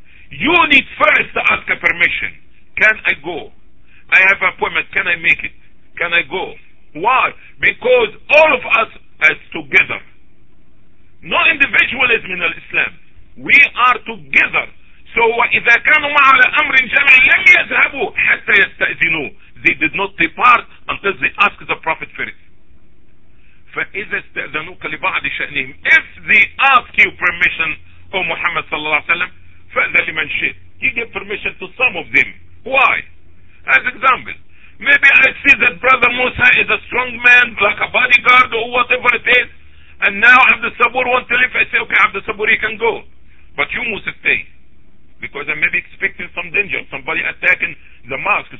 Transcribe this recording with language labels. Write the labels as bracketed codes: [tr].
[en] You need first to ask a permission. Can I go? I have an appointment. Can I make it? Can I go? Why? Because all of us as together, no individualism in Islam, we are together. [ar] So إذا كانوا مع الأمر الجميع لم يذهبوا حتى يستأذنوا. [en] They did not depart until they asked the Prophet first. [ar] فإذا استأذنوك لبعض شأنهم, [en] if they ask you permission, O Muhammad [ar] صلى الله عليه وسلم, فأذن لمن شئت. [en] He gave permission to some of them. Why? As example, maybe I see that brother Musa is a strong man, like a bodyguard or whatever it is, and now Abdul Sabur want to leave. I say, okay, Abdul Sabur, you can go, but you must stay, because I may be expecting some danger, somebody attacking the mosque.